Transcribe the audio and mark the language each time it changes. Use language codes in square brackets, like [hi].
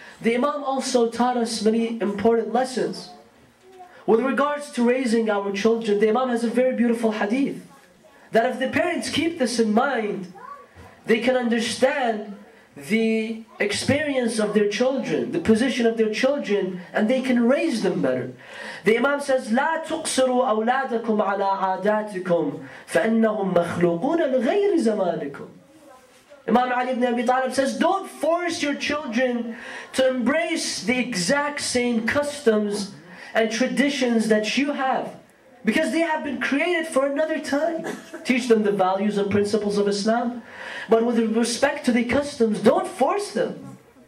[en] The Imam also taught us many important lessons. With regards to raising our children, the Imam has a very beautiful hadith. That if the parents keep this in mind, they can understand the experience of their children, the position of their children, and they can raise them better. The Imam says, [ar] لا تقصروا أولادكم على عاداتكم فإنهم مخلوقون لغير زمانكم. [en] Imam Ali ibn Abi Talib says, don't force your children to embrace the exact same customs and traditions that you have, because they have been created for another time. Teach them the values and principles of Islam, but with respect to the customs, don't force them.